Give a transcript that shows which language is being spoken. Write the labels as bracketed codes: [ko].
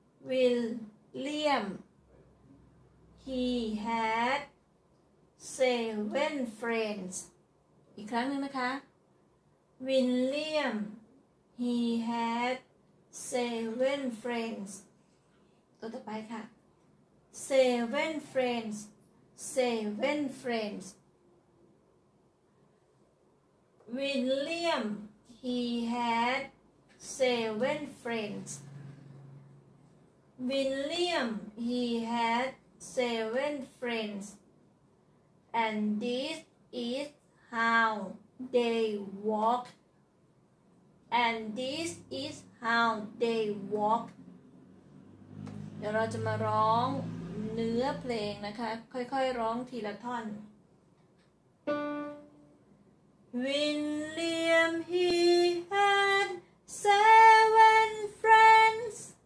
[en] วิลเลียม he had seven friends [th] อีกครั้งนึงนะคะวิลเลียม [en] he had seven friends [th] ตัวต่อไปค่ะ [en] seven friends seven friendsWilliam, he had seven friends. William, he had seven friends. And this is how they walk. And this is how they walk. [th] เดี๋ยวเราจะมาร้องเนื้อเพลงนะคะค่อยๆร้องทีละท่อน [en] William, he had seven friends.